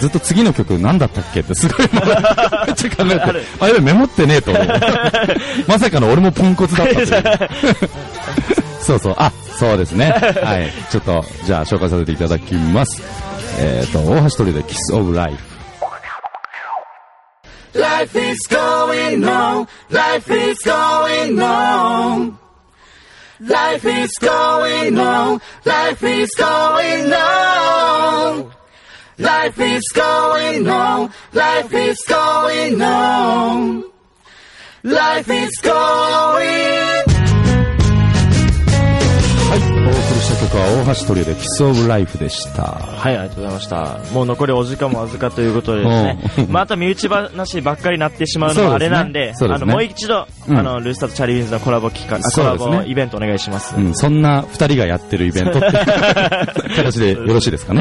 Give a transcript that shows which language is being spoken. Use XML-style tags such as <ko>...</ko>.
<ja>ずっと次の曲何だったっけってすごいめっちゃ考えて、あれメモってねえと思う。まさかの俺もポンコツだったっ。そうそう、あ、そうですね。はい、ちょっとじゃあ紹介させていただきます。大橋トリオで Kiss of Life。</ja> <en>Life is going on, life is going on. Life is going on, life is going on. Life is going on, life is going on. Life is going on. Life is going on.</en> <ja>はい、お送りした曲は大橋トリオでキスオブライフでした。はい、ありがとうございました。もう残りお時間もわずかということでですね、また身内話ばっかりなってしまうのはあれなんで、そうですね、あのもう一度、あのルースターとチャリビンズのコラボ企画、コラボイベントお願いします。そんな2人がやってるイベントって形でよろしいですかね。</ja>